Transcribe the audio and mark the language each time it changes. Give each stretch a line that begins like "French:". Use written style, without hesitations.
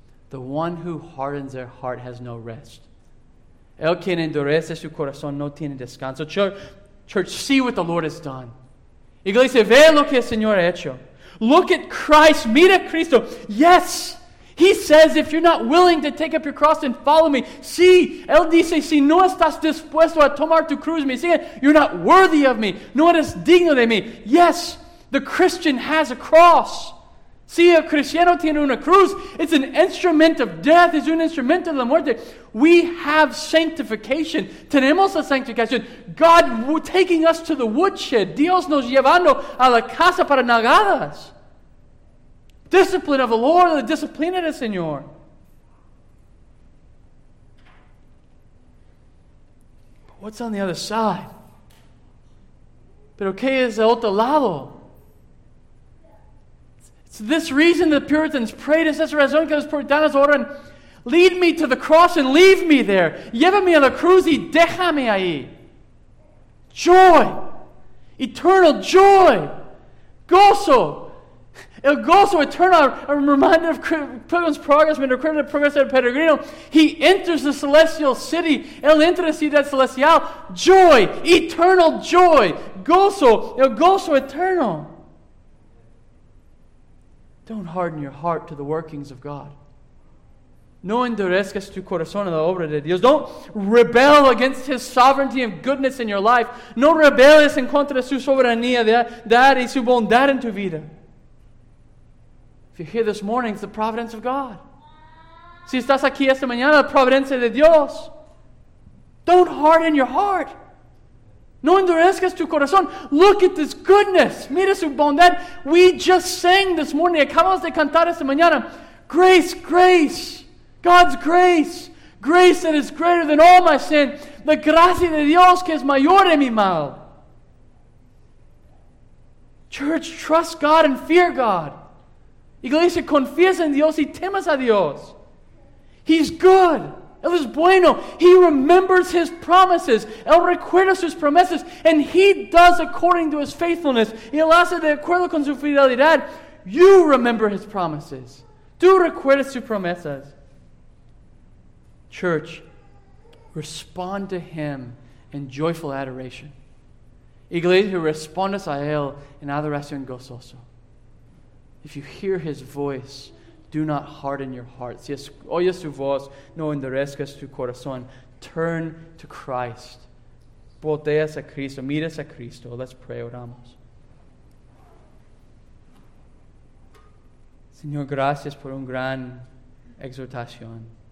English: The one who hardens their heart has no rest.
Spanish: El quien endurece su corazón no tiene descanso.
English: Church, see what the Lord has done.
Spanish: Iglesia, ve lo que el Señor ha hecho.
English: Look at Christ.
Spanish: Mira Cristo.
English: Yes. He says, if you're not willing to take up your cross and follow me,
Spanish: si, él dice, si no estás dispuesto a tomar tu cruz, me sigue,
English: you're not worthy of me.
Spanish: No eres digno de mí.
English: Yes, the Christian has a cross.
Spanish: Si, el cristiano tiene una cruz.
English: It's an instrument of death.
Spanish: Es un instrumento de la muerte.
English: We have sanctification.
Spanish: Tenemos la sanctificación.
English: God taking us to the woodshed.
Spanish: Dios nos llevando a la casa para nalgadas.
English: Discipline of the Lord,
Spanish: la disciplina del Señor.
English: But what's on the other side?
Spanish: Pero qué es el otro lado?
English: It's this reason the Puritans prayed.
Spanish: Es esa razón que los Puritanos oran.
English: Lead me to the cross and leave me there.
Spanish: Llévame a la cruz y déjame ahí.
English: Joy. Eternal joy.
Spanish: Gozo. El gozo eterno,
English: I'm reminded of Pilgrim's Progress, when the credit of Progress of Peregrino, he enters the celestial city,
Spanish: el entra ciudad celestial,
English: joy, eternal joy,
Spanish: gozo, el gozo eterno.
English: Don't harden your heart to the workings of God.
Spanish: No endurezcas tu corazón a la obra de Dios.
English: Don't rebel against His sovereignty and goodness in your life.
Spanish: No rebeles en contra de su soberanía de y su bondad en tu vida.
English: If you're here this morning, it's the providence of God.
Spanish: Si estás aquí esta mañana, la providencia de Dios.
English: Don't harden your heart.
Spanish: No endurezcas tu corazón.
English: Look at this goodness.
Spanish: Mira su bondad.
English: We just sang this morning.
Spanish: Acabamos de cantar esta mañana.
English: Grace, grace. God's grace. Grace that is greater than all my sin.
Spanish: La gracia de Dios que es mayor de mi mal.
English: Church, trust God and fear God.
Spanish: Iglesia, confías en Dios y temas a Dios.
English: He's good.
Spanish: Él es bueno.
English: He remembers His promises.
Spanish: Él recuerda sus promesas.
English: And He does according to His faithfulness.
Spanish: Y Él hace de acuerdo con su fidelidad.
English: You remember His promises.
Spanish: Tú recuerdas sus promesas.
English: Church, respond to Him in joyful adoration.
Spanish: Iglesia, respondes a Él en adoración gozoso.
English: If you hear His voice, do not harden your hearts.
Spanish: Si oyes su voz, no endurezcas tu corazón.
English: Turn to Christ.
Spanish: Volteas a Cristo. Miras a Cristo.
English: Let's pray.
Spanish: Oramos. Señor, gracias por un gran exhortación.